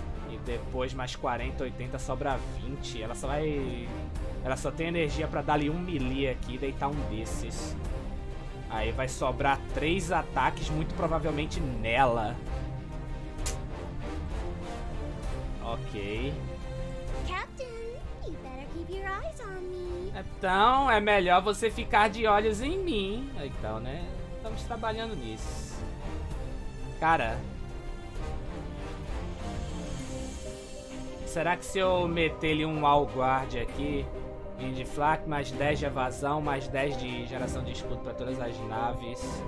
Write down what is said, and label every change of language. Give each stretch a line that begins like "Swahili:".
Portuguese: E depois mais 40, 80, sobra 20. Ela só vai Ela só tem energia pra dar ali um melee aqui e deitar um desses. Aí vai sobrar 3 ataques, muito provavelmente nela. Ok.
English: Captain, you better keep your eyes on me.
Portuguese: Então, é melhor você ficar de olhos em mim. Então, né? Estamos trabalhando nisso. Cara. Será que se eu meter ali um wall guard aqui? Wind Flak, mais 10 de evasão, mais 10 de geração de escudo para todas as naves.